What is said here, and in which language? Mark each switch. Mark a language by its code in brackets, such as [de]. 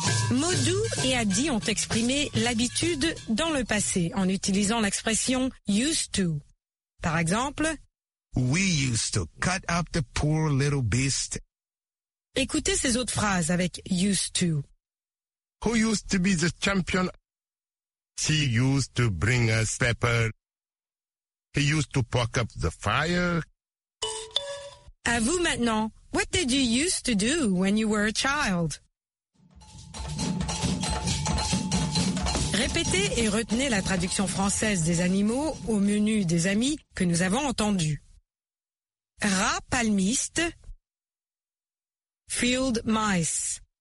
[fr] Modou et Adi ont exprimé l'habitude dans le passé en utilisant l'expression « used to ». Par exemple, [en] « We used to cut up the poor little beast ». [fr] Écoutez ces autres phrases avec « used to ». [en] Who used to be the champion? She used to bring us pepper. He used to poke up the fire. [fr] À vous maintenant. [en] What did you used to do when you were a child? [fr] Répétez et retenez la traduction française des animaux au menu des amis que nous avons entendu. Rat palmiste. [en] Field mice.